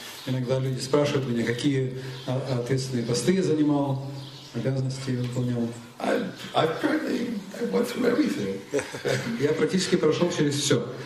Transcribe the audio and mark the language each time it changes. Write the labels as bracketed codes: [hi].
[ru] Иногда люди спрашивают меня, какие ответственные посты я занимал. Обязанности я выполнял. [en] I went through everything. [ru] Я практически прошел через все.